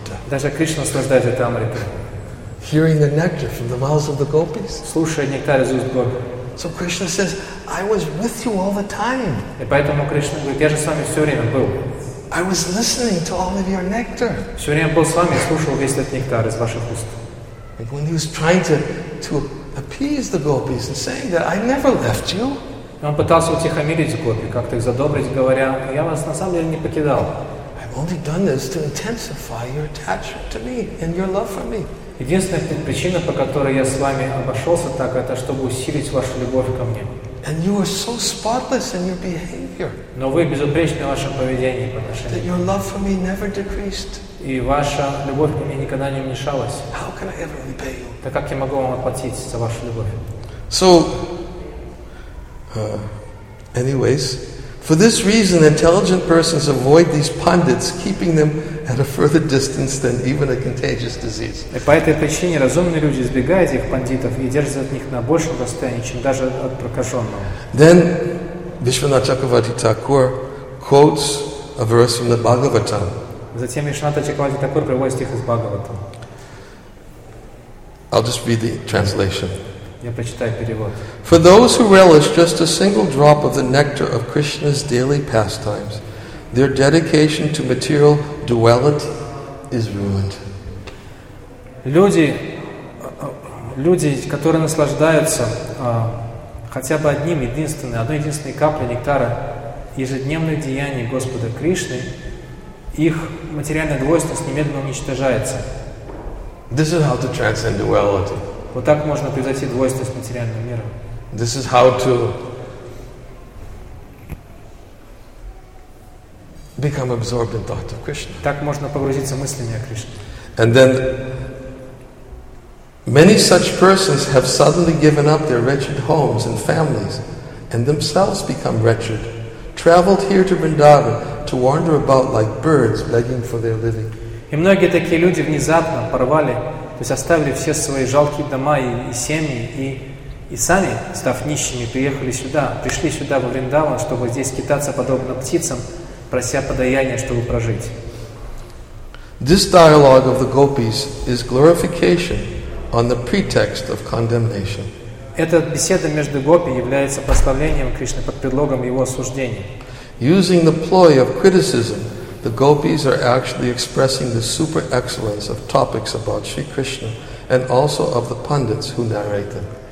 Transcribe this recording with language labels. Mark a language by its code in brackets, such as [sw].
[ru] Даже Кришна наслаждается этой амритой. [en] Hearing the nectar from the mouths of the gopis. [ru] Слушая нектар из уст гопи. [en] So Krishna says, I was with you all the time. [ru] И поэтому Кришна говорит, я же с вами все время был. [en] I was listening to all of your nectar. [ru] Все время был с вами, слушал весь этот нектар из ваших уст. [en] And when he was trying to appease the gopis and saying that I never left you. [ru] Он пытался утихомирить гопи, как-то их задобрить, говоря, я вас на самом деле не покидал. [en] I'm only done this to intensify your attachment to me and your love for me. [ru] Единственная причина, по которой я с вами обошелся так, это чтобы усилить вашу любовь ко мне. [en] And you are so spotless in your behavior. [ru] Но вы безупречны в вашем поведении по отношению. [en] That your love for me never decreased. [ru] И ваша любовь ко мне никогда не уменьшалась. [en] How can I ever repay you? [ru] Так как я могу вам отплатить за вашу любовь? [en] So, anyways, for this reason, intelligent persons avoid these pundits, keeping them at a further distance than even a contagious disease. [ru] И по этой причине разумные люди избегают этих пандитов и держатся от них на большем расстоянии, чем даже от прокаженного. [en] Then, Vishwanatha Chakravarti Thakur quotes a verse from the Bhagavatam. [ru] Затем Вишванатха Чакравати Такур приводит стих из Бхагаватам. [en] I'll just read the translation. [ru] Я прочитаю перевод. [en] For those who relish just a single drop of the nectar of Krishna's daily pastimes, their dedication to material duality is ruined. [ru] Люди, которые наслаждаются хотя бы одной единственной каплей нектара ежедневных деяний Господа Кришны, их материальная двойственность немедленно уничтожается. [en] This is how to transcend duality. [ru] Вот так можно превзойти двойственность материального мира. [en] This is how to become absorbed in thought of Krishna. [ru] Так можно погрузиться мыслями о Кришне. [en] And then many such persons have suddenly given up their wretched homes and families and themselves become wretched, traveled here to Vrindavan to wander about like birds begging for their living. [ru] И многие такие люди внезапно порвали, то есть оставили все свои жалкие дома и семьи, и сами, став нищими, пришли сюда во Вриндаван, чтобы здесь скитаться подобно птицам, прося подаяния, чтобы прожить. [en] This dialogue of the gopis is glorification on the pretext of condemnation. [ru] Эта беседа между гопи является прославлением Кришны под предлогом его осуждения. [en] Using the ploy of criticism, the gopis are actually expressing the super excellence of topics about Sri Krishna and also of the pundits who narrate them.